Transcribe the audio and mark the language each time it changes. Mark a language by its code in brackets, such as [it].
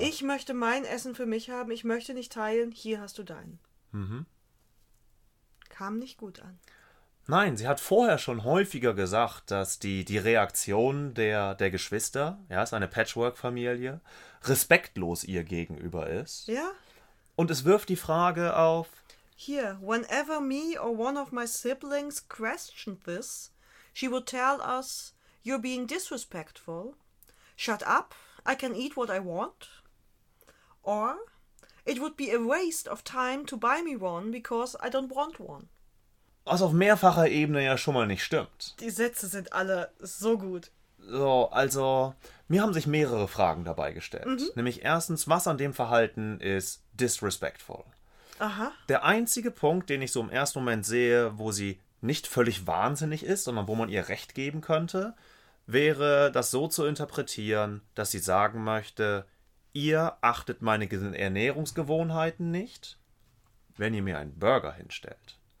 [de] Ich möchte mein Essen für mich haben, ich möchte nicht teilen, hier hast du deinen. Mhm. Kam nicht gut an. Nein, sie hat vorher schon häufiger gesagt, dass die Reaktion der Geschwister, ja, ist eine Patchwork-Familie, respektlos ihr gegenüber ist. Ja. Und es wirft die Frage auf. [en] Here, whenever me or one of my siblings questioned this, she would tell us, you're being disrespectful, shut up, I can eat what I want. Or, it would be a waste of time to buy me one because I don't want one. [de] Was auf mehrfacher Ebene ja schon mal nicht stimmt. Die Sätze sind alle so gut. So, also, mir haben sich mehrere Fragen dabei gestellt. Mhm. Nämlich erstens, was an dem Verhalten ist disrespectful? Aha. Der einzige Punkt, den ich so im ersten Moment sehe, wo sie nicht völlig wahnsinnig ist, sondern wo man ihr Recht geben könnte, wäre das so zu interpretieren, dass sie sagen möchte, ihr achtet meine Ernährungsgewohnheiten nicht, wenn ihr mir einen Burger hinstellt.